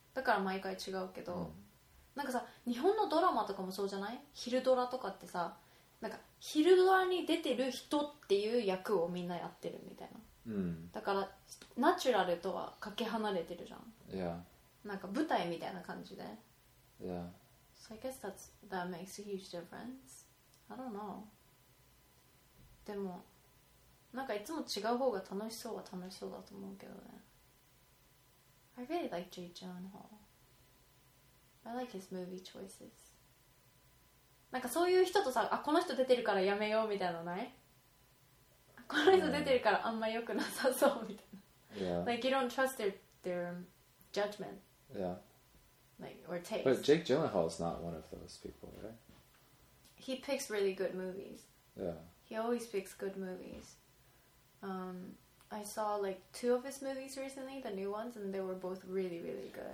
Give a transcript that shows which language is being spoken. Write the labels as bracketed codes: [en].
[ja] だから毎回違うけど、なんかさ日本のドラマとかもそうじゃない？昼ドラとかってさ、なんか昼ドラに出てる人っていう役をみんなやってるみたいな。だからナチュラルとはかけ離れてるじゃん。 [en] Yeah. [ja] なんか舞台みたいな感じで。 [en] Yeah. So I guess that makes a huge difference. I don't know. [ja] でもなんかいつも違う方が楽しそうは楽しそうだと思うけどね。 [en] I really like Jake Gyllenhaal. I like his movie choices. [ja] なんかそういう人とさ、あこの人出てるからやめようみたいなのない？この人出てるからあんま良くなさそうみたいな。 [en] Yeah. Like you don't trust their judgment. Yeah. Like, or taste. But Jake Gyllenhaal is not one of those people, right? He picks really good movies. Yeah. He always picks good movies. I saw like two of his movies recently, the new ones, and they were both really, really good.